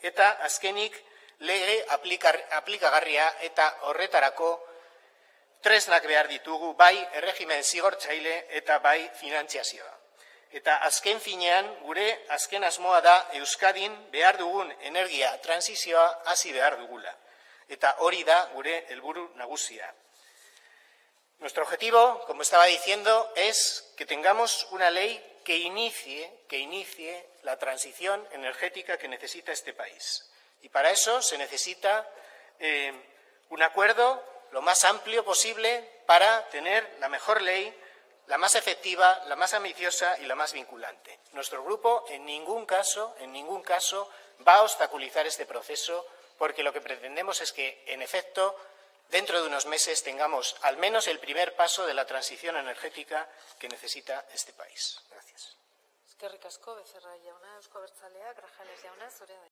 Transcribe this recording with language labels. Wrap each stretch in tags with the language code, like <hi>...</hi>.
<eu>Eta azkenik lege aplikagarria eta horretarako tresnak behar ditugu, bai erregimen zigortzaile eta bai finantziazioa. Eta azken finean, gure azken asmoa da Euskadin behar dugun energia transizioa hasi behar dugula. Eta hori da gure helburu nagusia.</eu> <es>Nuestro objetivo, como estaba diciendo, es que tengamos una ley que inicie la transición energética que necesita este país. Y para eso se necesita un acuerdo lo más amplio posible para tener la mejor ley, la más efectiva, la más ambiciosa y la más vinculante. Nuestro grupo en ningún caso va a obstaculizar este proceso, porque lo que pretendemos es que, en efecto, dentro de unos meses tengamos al menos el primer paso de la transición energética que necesita este país. Gracias.</es> <eu>Eskerrik asko, Becerra jauna, Eusko Abertzaleak, Grajales jauna, zurea da.</eu>